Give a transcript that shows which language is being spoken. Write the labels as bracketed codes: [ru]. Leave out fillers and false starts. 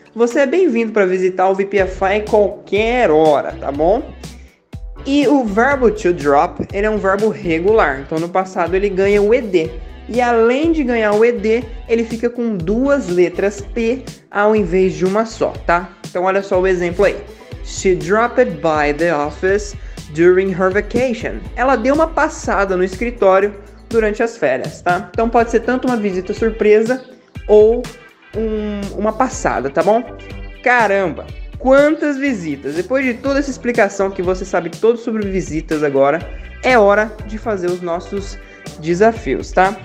[pt] Você é bem-vindo para visitar o VPFI qualquer hora, tá bom? E o verbo to drop, ele é um verbo regular, então no passado ele ganha o ED. E além de ganhar o ED, ele fica com duas letras P ao invés de uma só, tá? Então olha só o exemplo aí. [en] She dropped by the office during her vacation. [pt] Ela deu uma passada no escritório durante as férias, tá? Então pode ser tanto uma visita surpresa ou uma passada, tá bom? Caramba! Quantas visitas? Depois de toda essa explicação que você sabe todo sobre visitas agora, é hora de fazer os nossos desafios, tá?